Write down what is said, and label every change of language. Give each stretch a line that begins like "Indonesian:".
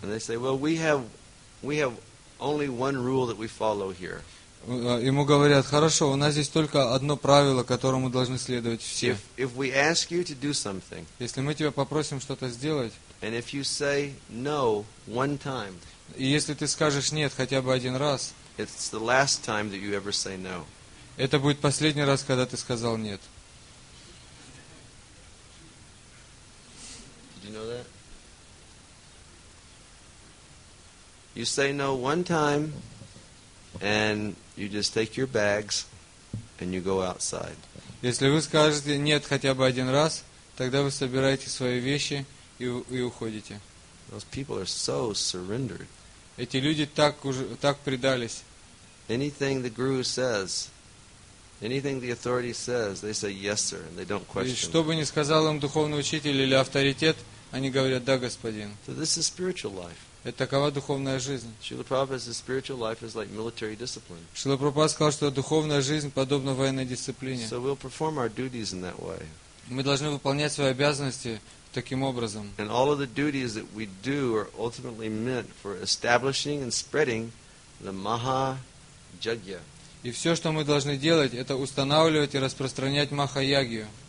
Russian: И они говорят,
English: well, we have only one rule that we follow here.
Russian: Ему говорят, хорошо, у нас здесь только одно правило, которому должны следовать все.
English: If we ask you to do something,
Russian: если мы тебя попросим что-то сделать,
English: and if you say no one time,
Russian: и если ты скажешь нет хотя бы один раз,
English: it's the last time that you ever say no.
Russian: Это будет последний раз, когда ты сказал нет.
English: Did you know that? You say no one time, and you just take your bags, and you go outside.
Russian: Если вы скажете нет хотя бы один раз, тогда вы собираете свои вещи и уходите.
English: Those people are so surrendered.
Russian: Эти люди так предались.
English: Anything the guru says, anything the authority says, they say yes, sir, and they don't question.
Russian: И что бы ни сказал им духовный учитель или авторитет, они говорят да, господин.
English: So this is spiritual life.
Russian: Это такова духовная жизнь.
English: Шрила Прабхупада says spiritual life is like military discipline.
Russian: Шрила Прабхупада сказал, что духовная жизнь подобна военной дисциплине.
English: So we'll perform our duties in that way.
Russian: Мы должны выполнять свои обязанности таким образом.
English: And all of the duties that we do are ultimately meant for establishing and spreading the Maha-Yajna.
Russian: И все, что мы должны делать, это устанавливать и распространять Маха-Ягью.